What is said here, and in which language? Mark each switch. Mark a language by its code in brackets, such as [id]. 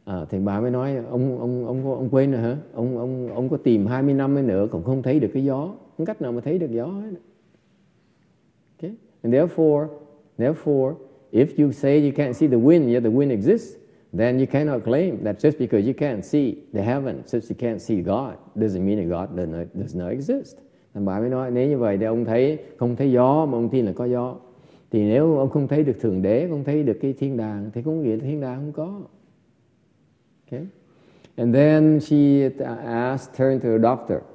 [vi] Thì bà mới nói ông quên rồi hả? Ông có tìm 20 năm nữa cũng không thấy được cái gió. Không cách nào mà thấy được gió hết. Okay? [en] And therefore if you say you can't see the wind, yet the wind exists, then you cannot claim that just because you can't see the heaven, since you can't see God, doesn't mean that God does not exist. [vi] Thì bà mới nói nếu như vậy thì ông thấy không thấy gió mà ông tin là có gió. Thì nếu ông không thấy được Thượng Đế, không thấy được cái thiên đàng, thì cũng nghĩa là thiên đàng không có. Okay. [en] And then she asked, turned to the doctor.